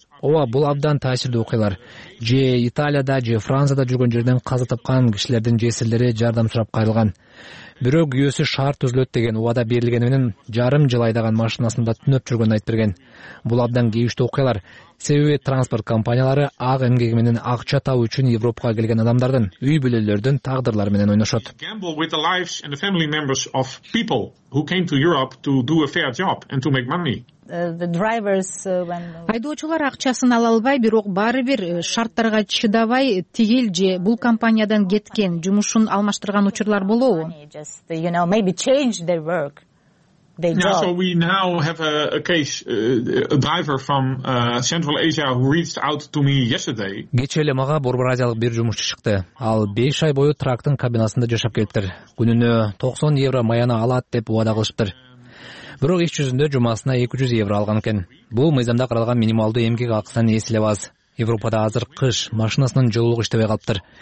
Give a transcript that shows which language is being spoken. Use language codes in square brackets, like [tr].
[ky] Ооба, бул абдан таасирдүү окуялар. Же Италияда, же Францияда жүргөн жерден каза тапкан кишилердин жесирлери жардам сурап кайрылган. Бирок күйөөсү шаар түзүлөт деген убада берилгени менен жарым жыл айдаган машинасында түнөп жүргөнүн айтып берген. Бул абдан кейиштүү окуялар. Себеби транспорт компаниялары ак эмгеги менен акча табуу үчүн Европага келген адамдардын, үй бүлөлөрдүн тагдырлары менен ойношот. [en] Gamble with the lives and the family members of people who came to Europe to do a fair job and to make money. [ky] Айдоочулар акчасын ала албай, бирок баары бир шарттарга чыдабай тигил же бул компаниядан кеткен, жумушун алмаштырган учурлар болобу? [en] Yeah, so we now have a driver from Central Asia who reached out to me yesterday. [ky] Кечээ эле мага Борбор-Азиялык бир жумушчу чыкты. Ал 5 ай бою трактын кабинасында жашап келиптир. Күнүнө 90 евро маяна алат деп убада кылышыптыр. Бирок иш жүзүндө жумасына 200 евро алган экен. Бул мыйзамда каралган минималдуу эмгек акысынан эс эле аз. Европада азыр кыш, машинасынын жылуулугу иштебей калыптыр.